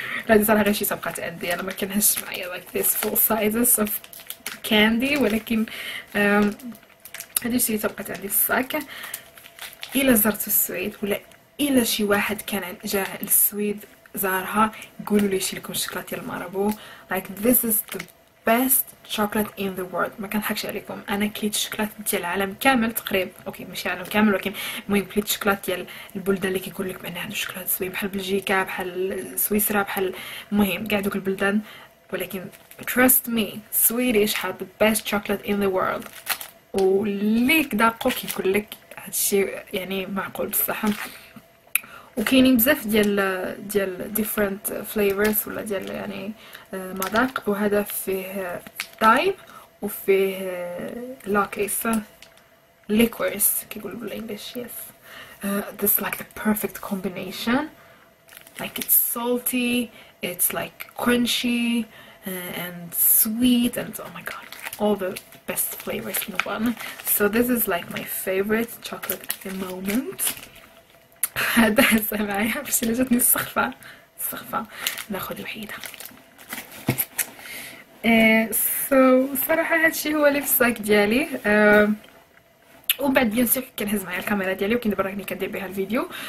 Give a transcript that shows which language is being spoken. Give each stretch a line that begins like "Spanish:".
Arabic: هادي صراحة غير شي سبقات عندي, أنا ما كنهش معايا
English: like this full sizes of candy,
Arabic: ولكن هادي شي سبقات عندي في الصاك. الى زرت السويد ولا الى شي واحد كان جا للسويد زارها قولوا لي شي لكم الشوكولاتة ديال ماربو.
English: like this is the best chocolate in the world,
Arabic: ما كنضحكش عليكم. انا كليت الشوكولاتة ديال العالم كامل تقريبا, اوكي ماشي العالم كامل ولكن المهم كليت الشوكولاتة ديال البلدان اللي كيقول لك بانها عندهم شوكولاتة سويد بحال بلجيكا بحال سويسرا بحال المهم كاع دوك البلدان, ولكن
English: trust me Swedish have the best chocolate in the world.
Arabic: واللي كداقو كيقول لك هادشي يعني معقول بصح. وكاينين بزاف ديال
English: different flavors
Arabic: ولا ديال يعني مذاق, وهذا فيه دايم وفيه لاكيس ليكورس كيقولوا بالانجلش.
English: yes this is like the perfect combination, like it's salty, it's like crunchy and sweet, and oh my god, all the best flavors in one. So this is like my favorite chocolate at the moment.
Arabic: هذا سمعي حبشي لجتني السخفة السخفة ناخد وحيدة. So صراحة هادشي هو اللي في الساك ديالي. وبعد بيان سور كنهز معايا الكاميرا ديالي, وكنت برا راني كندير بها الفيديو.